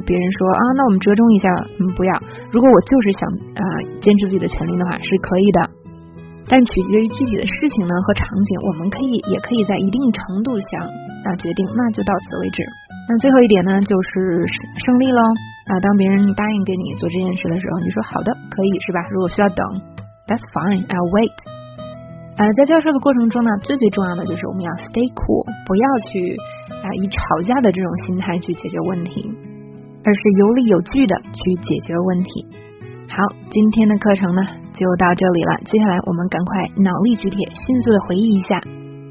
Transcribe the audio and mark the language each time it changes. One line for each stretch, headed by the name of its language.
Chinese: 别人说啊，那我们折中一下，不要，如果我就是想坚持自己的权利的话是可以的，但取决于具体的事情呢和场景，我们也可以在一定程度下决定那就到此为止。那最后一点呢，就是胜利咯。当别人答应给你做这件事的时候，你说好的，可以，是吧？如果需要等
English: That's fine, I'll wait。
Chinese: 在教授的过程中呢，最最重要的就是我们要
English: stay cool，
Chinese: 不要去以吵架的这种心态去解决问题，而是有理有据的去解决问题。好，今天的课程呢就到这里了，接下来我们赶快脑力举铁，迅速的回忆一下